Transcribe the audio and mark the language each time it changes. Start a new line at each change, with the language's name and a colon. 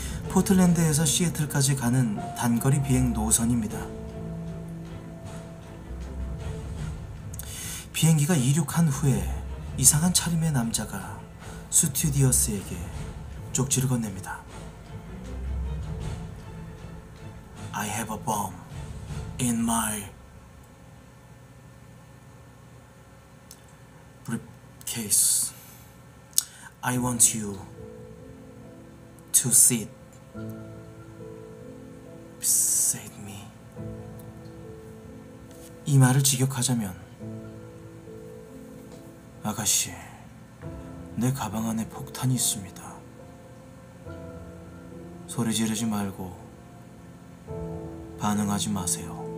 Korean: 포틀랜드에서 시애틀까지 가는 단거리 비행 노선입니다. 비행기가 이륙한 후에 이상한 차림의 남자가 스튜디어스에게 쪽지를 건넵니다.
English: I have a bomb in my briefcase. I want you to sit beside me.
Korean: 이 말을 직역하자면, 아가씨, 내 가방 안에 폭탄이 있습니다. 소리 지르지 말고 반응하지 마세요.